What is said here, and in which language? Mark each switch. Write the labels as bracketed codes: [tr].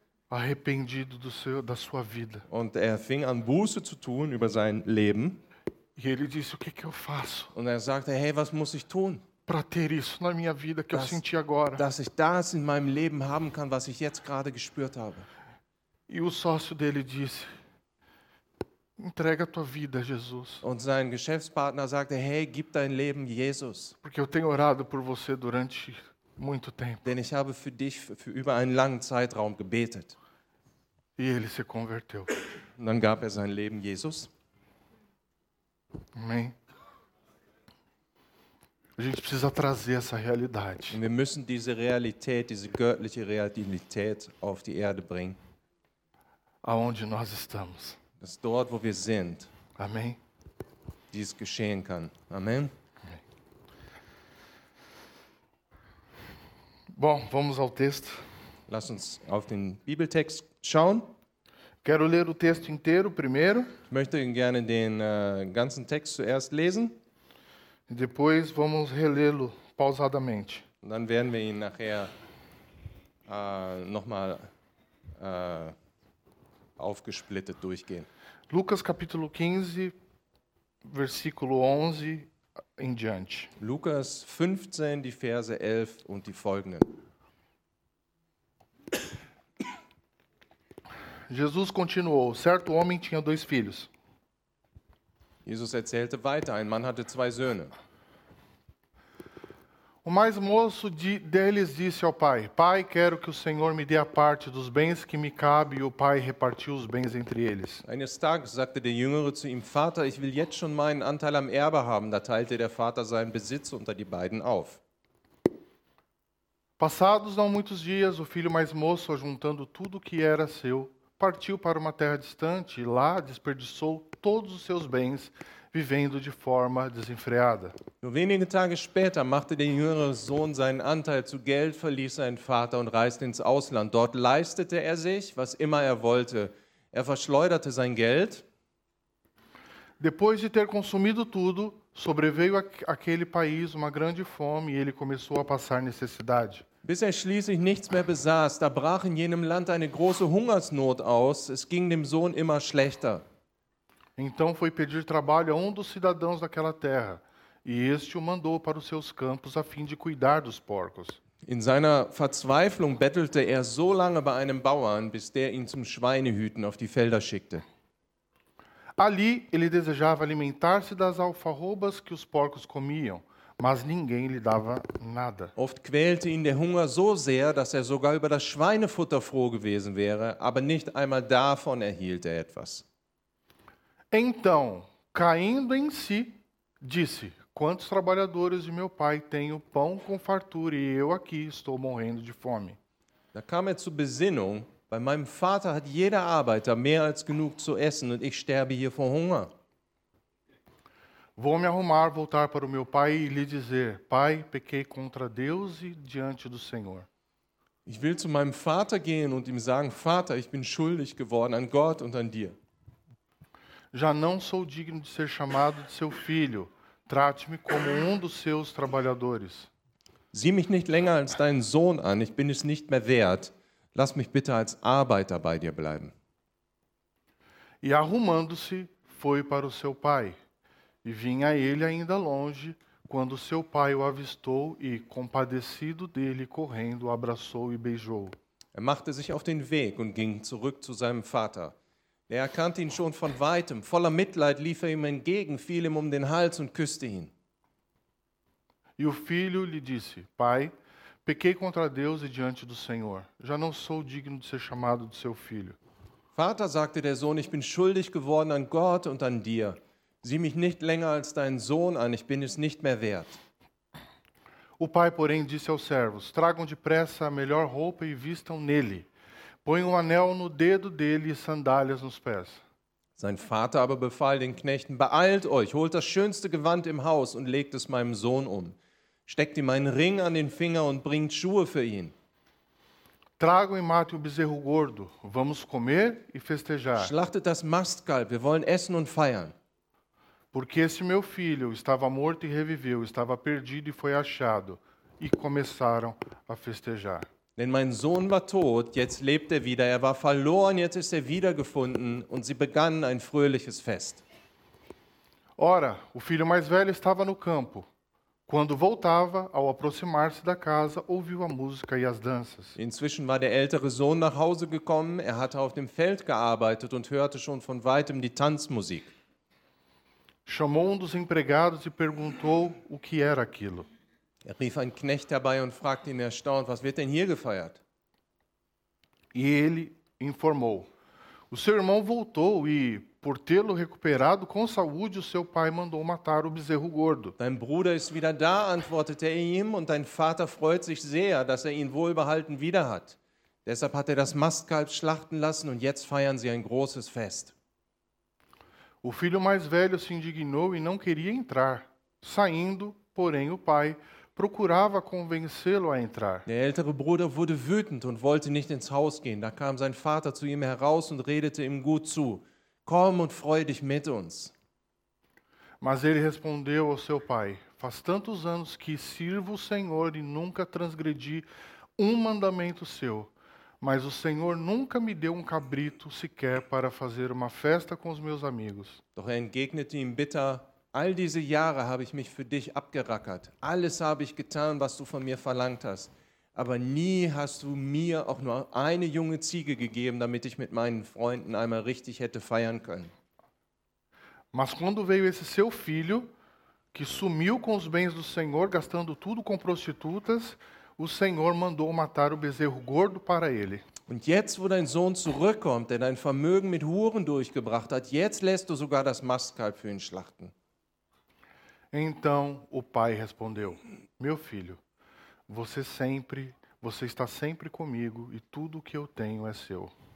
[pt] Arrependido do seu, da sua vida. [de] Und er fing an, Buße zu tun über sein Leben. [pt] E ele disse, o que que eu faço? [de] Und er sagte, hey, was muss ich tun? [pt] Para ter isso na minha vida que eu senti agora. [de] Dass ich das in meinem Leben haben kann, was ich jetzt gerade gespürt habe. [pt] E o sócio dele disse, entrega tua vida, Jesus. [de] Und sein Geschäftspartner sagte, hey, gib dein Leben Jesus. [pt] Porque eu tenho orado por você durante muito tempo. [de] Denn ich habe für dich für über einen langen Zeitraum gebetet. [pt] E ele se converteu. [de] Und dann gab sein Leben Jesus. [pt] Amém. A gente precisa trazer essa realidade. [de] Wir müssen diese Realität, diese göttliche Realität auf die Erde bringen. [pt] Aonde nós estamos. [de] Das dort, wo wir sind. [pt] Amém. [de] Dies geschehen kann. Amém. [pt] Bom, vamos ao texto. [de] Lass uns auf den Bibeltext schauen. [pt] Quero ler o texto inteiro primeiro. [de] Ich möchte gerne den ganzen Text zuerst lesen. [pt] E depois vamos relê-lo pausadamente. [de] Und dann werden wir ihn nachher nochmal aufgesplittet durchgehen. [pt] Lucas capítulo 15, versículo 11 em diante. [de] Lucas 15, die Verse 11 und die folgenden. [pt] Jesus continuou, certo homem tinha dois filhos. [de] Jesus erzählte weiter, ein Mann hatte zwei Söhne. [pt] O mais moço deles disse ao pai, pai, quero que o Senhor me dê a parte dos bens que me cabe, e o pai repartiu os bens entre eles. [de] Eines Tages sagte der Jüngere zu ihm, Vater, ich will jetzt schon meinen Anteil am Erbe haben. Da teilte der Vater seinen Besitz unter die beiden auf. [pt] Passados não muitos dias, o filho mais moço, juntando tudo o que era seu, partiu para uma terra distante, e lá desperdiçou todos os seus bens, vivendo de forma desenfreada. [de] Nur wenige Tage später machte der jüngere Sohn seinen Anteil zu Geld, verließ seinen Vater und reiste ins Ausland. Dort leistete er sich, was immer er wollte. Er verschleuderte sein Geld. [pt] Depois de ter consumido tudo, sobreveio aquele país uma grande fome e ele começou a passar necessidade. [de] Bis er schließlich nichts mehr besaß, da brach in jenem Land eine große Hungersnot aus. Es ging dem Sohn immer schlechter. [pt] Então foi pedir trabalho a um dos cidadãos daquela terra, e este o mandou para os seus campos a fim de cuidar dos porcos. [de] In seiner Verzweiflung bettelte er so lange bei einem Bauern, bis der ihn zum Schweinehüten auf die Felder schickte. [pt] Ali ele desejava alimentar-se das alfarrobas que os porcos comiam, mas ninguém lhe dava nada. [de] Oft quälte ihn der Hunger so sehr, dass er sogar über das Schweinefutter froh gewesen wäre, aber nicht einmal davon erhielt er etwas. [pt] Então, caindo em si, disse, quantos trabalhadores de meu pai tenho pão com fartura e eu aqui estou morrendo de fome. [de] Da kam er zur Besinnung, bei meinem Vater hat jeder Arbeiter mehr als genug zu essen und ich sterbe hier vor Hunger. [pt] Vou me arrumar, voltar para o meu pai e lhe dizer, pai, pequei contra Deus e diante do Senhor. [de] Ich will zu meinem Vater gehen und ihm sagen, Vater, ich bin schuldig geworden an Gott und an dir. [pt] Já não sou digno de ser chamado de seu filho. Trate-me como um dos seus trabalhadores. [de] Sieh mich nicht länger als deinen Sohn an. Ich bin es nicht mehr wert. Lass mich bitte als Arbeiter bei dir bleiben. [pt] E arrumando-se, foi para o seu pai. E vinha ele ainda longe, quando seu pai o avistou e, compadecido dele, correndo, o abraçou e beijou. [de] Er machte sich auf den Weg und ging zurück zu seinem Vater. Er erkannte ihn schon von weitem. Voller Mitleid lief er ihm entgegen, fiel ihm um den Hals und küsste ihn. [pt] E o filho lhe disse, pai, pequei contra Deus e diante do Senhor. Já não sou digno de ser chamado de seu filho. [de] Vater, sagte der Sohn, ich bin schuldig geworden an Gott und an dir. Sieh mich nicht länger als deinen Sohn an, ich bin es nicht mehr wert. [pt] O pai, porém, disse aos servos, tragam depressa a melhor roupa e vistam nele. Põe um anel no dedo dele e sandálias nos pés. [de] Sein Vater aber befahl den Knechten: Beeilt euch, holt das schönste Gewand im Haus und legt es meinem Sohn um. Steckt ihm einen Ring an den Finger und bringt Schuhe für ihn. [pt] Traga e mate o bezerro gordo. Vamos comer e festejar. [de] Schlachtet das Mastkalb. Wir wollen essen und feiern. [pt] Porque esse meu filho estava morto e reviveu, estava perdido e foi achado. E começaram a festejar. [de] Denn mein Sohn war tot, jetzt lebt er wieder. Er war verloren, jetzt ist er wiedergefunden. Und sie begannen ein fröhliches Fest. [pt] Ora, o filho mais velho estava no campo. Quando voltava, ao aproximar-se da casa, ouviu a música e as danças. [de] Inzwischen war der ältere Sohn nach Hause gekommen. Er hatte auf dem Feld gearbeitet und hörte schon von weitem die Tanzmusik. [pt] Chamou um dos empregados e perguntou o que era aquilo. [de] Er rief einen Knecht herbei und fragte ihn erstaunt: Was wird denn hier gefeiert? [pt] E ele informou: O seu irmão voltou e, por tê-lo recuperado com saúde, o seu pai mandou matar o bezerro gordo. [de] Dein Bruder ist wieder da, antwortete er ihm, und dein Vater freut sich sehr, dass er ihn wohlbehalten wieder hat. Deshalb hat er das Mastkalb schlachten lassen und jetzt feiern sie ein großes Fest. [pt] O filho mais velho se indignou e não queria entrar. Saindo, porém, o pai procurava convencê-lo a entrar. [de] Der ältere Bruder wurde wütend und wollte nicht ins Haus gehen. Da kam sein Vater zu ihm heraus und redete ihm gut zu: Komm und freu dich mit uns. [pt] Mas ele respondeu ao seu pai: Faz tantos anos que sirvo o Senhor e nunca transgredi um mandamento seu. Mas o Senhor nunca me deu um cabrito sequer para fazer uma festa com os meus amigos. [de] Doch er entgegnete ihm bitter: All diese Jahre habe ich mich für dich abgerackert. Alles habe ich getan, was du von mir verlangt hast. Aber nie hast du mir auch nur eine junge Ziege gegeben, damit ich mit meinen Freunden einmal richtig hätte feiern können. [pt] Mas quando veio esse seu filho, que sumiu com os bens do Senhor, gastando tudo com prostitutas, o Senhor mandou matar o bezerro gordo para ele. [de] Und jetzt, wo dein Sohn zurückkommt, der dein Vermögen mit Huren durchgebracht hat, jetzt lässt du sogar das Mastkalb für ihn schlachten. [pt] Então o pai respondeu: Meu filho, você está sempre comigo e tudo o que eu tenho é seu.